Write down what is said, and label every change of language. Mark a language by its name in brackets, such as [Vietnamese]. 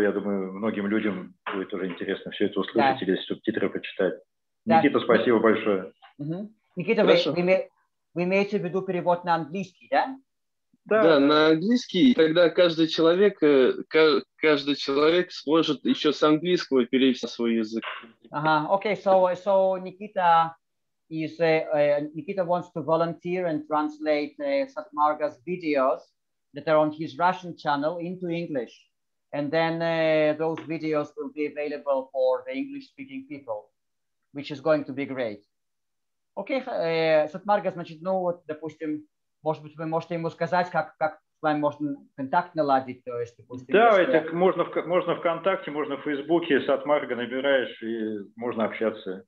[Russian] Я думаю, многим людям будет уже интересно все это услышать, да, или субтитры почитать. Да. Никита, спасибо большое. Угу. Никита, вы имеете в виду перевод на английский, да? Да, на английский, тогда каждый человек сможет еще с английского перевести на свой язык. Ага, окей, [English] so Nikita wants to volunteer and translate Satmarga's videos that are on his Russian channel into English. And then those videos will be available for the English-speaking people, which is going to be great. [Russian] Окей, Сатмарга, значит, ну вот, допустим, может быть, вы можете ему сказать, как с вами можно контакт наладить? То есть, допустим, да, это можно ВКонтакте, можно в Фейсбуке, Сатмарга набираешь, и можно общаться.